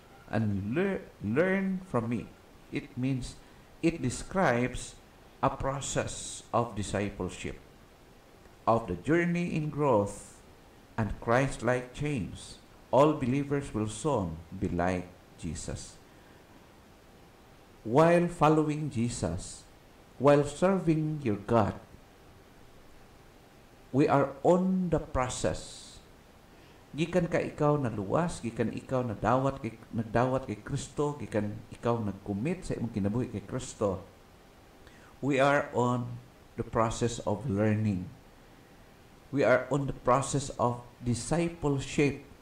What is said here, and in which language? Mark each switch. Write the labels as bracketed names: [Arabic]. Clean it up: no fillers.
[English] And learn from me. It means, it describes a process of discipleship, of the journey in growth and Christ-like change. All believers will soon be like Jesus. While following Jesus, while serving your God, we are on the process. [Cebuano] Gikan ka ikaw na luwas, gikan ikaw na dawat, nagdawat kay Kristo, gikan ikaw nag-commit sa imong kinabuhi kay Kristo. [English] We are on the process of learning. We are on the process of discipleship.